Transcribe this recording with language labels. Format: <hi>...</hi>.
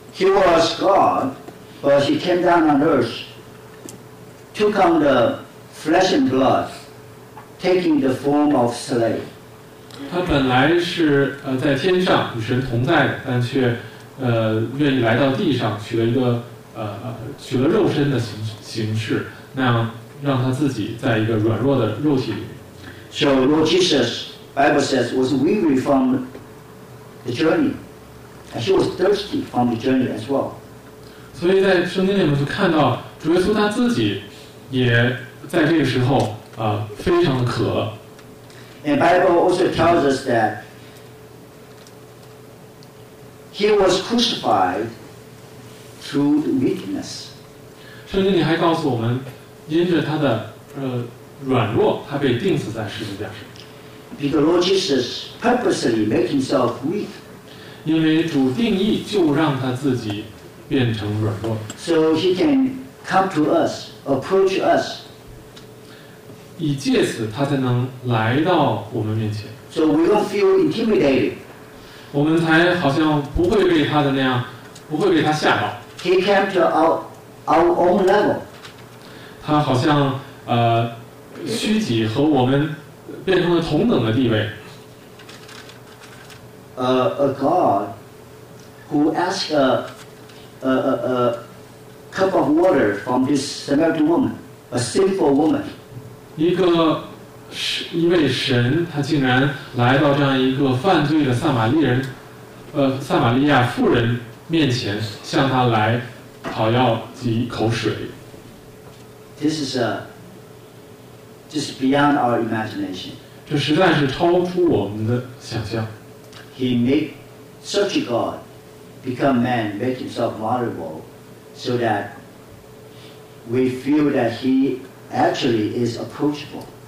<en>He was God, but he came down on earth, took on the flesh and blood, taking the form of slave.</en> <zh>他本来是在天上与神同在的，但却愿意来到地上，取了一个取了肉身的形式，那样让他自己在一个软弱的肉体里面。</zh> <en>So Lord Jesus. Bible says was weary from the journey, and she was thirsty from the journey as well.</en> <zh>所以在圣经里面就看到主耶稣他自己也在这个时候非常的渴。</zh> <en>And Bible also tells us that he was crucified through the weakness.</en> <zh>圣经里还告诉我们，因着他的软弱，他被钉死在十字架上。</zh> <en>Because Lord Jesus purposely made himself weak.</en> <zh>因为主定义就让他自己变成软弱。</zh> <en>So he can come to us, approach us.</en> <zh>以借此他才能来到我们面前。</zh> <en>So we don't feel intimidated.</en> <zh>我们才好像不会被他的那样，不会被他吓到。</zh> <en>He came to our own level.</en> <zh>他好像虚己和我们变成了同等的地位。</zh> <en>A God who asked a cup of water from this Samaritan woman, a sinful woman.</en> <zh>一位神，他竟然来到这样一个犯罪的撒玛利亚妇人面前，向他来讨要几口水。</zh> <en>This is just beyond our imagination.</en> <zh>这实在是超出我们的想象。</zh> <en>He made such a God become man, make himself vulnerable, so that we feel that he actually is approachable.</en>